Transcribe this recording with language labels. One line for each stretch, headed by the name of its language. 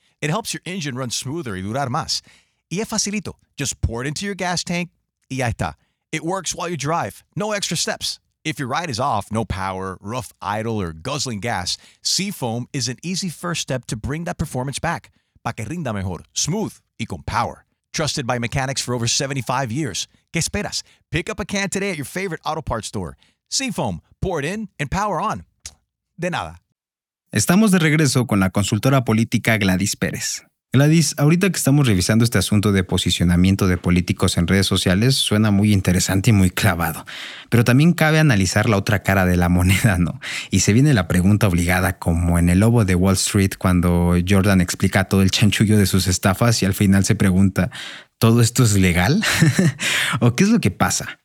English: It helps your engine run smoother
Spanish: y durar más. Y es facilito.
English: Just pour it into your gas tank
Spanish: y ya está.
English: It works while you drive. No extra steps. If your ride is off, no power, rough idle, or guzzling gas, Seafoam is an easy first step to bring that performance back. Pa' que rinda mejor, smooth, y con power. Trusted by mechanics for over 75 years.
Spanish: ¿Qué esperas?
English: Pick up a can today at your favorite auto parts store. Seafoam, pour it in and power on.
Spanish: De nada. Estamos de regreso con la consultora política Gladys Pérez. Gladys, ahorita que estamos revisando este asunto de posicionamiento de políticos en redes sociales, suena muy interesante y muy clavado. Pero también cabe analizar la otra cara de la moneda, ¿no? Y se viene la pregunta obligada, como en El Lobo de Wall Street, cuando Jordan explica todo el chanchullo de sus estafas y al final se pregunta, ¿todo esto es legal? ¿O qué es lo que pasa?